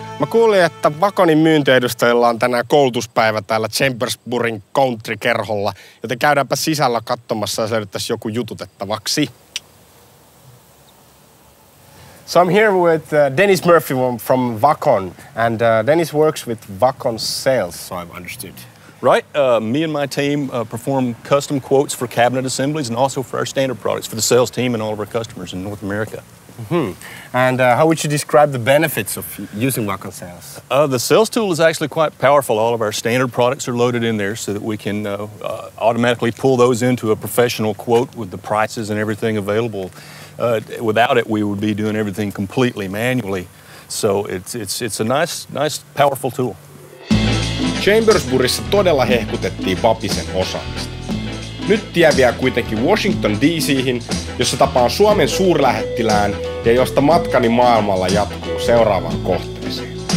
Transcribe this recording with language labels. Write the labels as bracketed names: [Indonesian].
[Finnish] Kuulin, että Vulcanin myyntiedustajilla on tänään koulutuspäivä täällä Chambersburgin country-kerholla, joten käydäänpä sisällä katsomassa ja löydettäisiin joku jututettavaksi. [English] So I'm here with Dennis Murphy from Vulcan, and Dennis works with Vulcan sales, so I've understood. Right, me and my team perform custom quotes for cabinet assemblies and also for our standard products for the sales team and all of our customers in North America. Mm-hmm. And how would you describe the benefits of using Vulcan sales? The sales tool is actually quite powerful. All of our standard products are loaded in there so that we can automatically pull those into a professional quote with the prices and everything available. Without it, we would be doing everything completely manually. So it's a nice, powerful tool. [Finnish] Chambersburgissa todella hehkutettiin Vapisen osaamista. Nyt tie vie kuitenkin Washington DC:hin, jossa tapaan Suomen suurlähettilään ja josta matkani maailmalla jatkuu seuraavaan kohteeseen.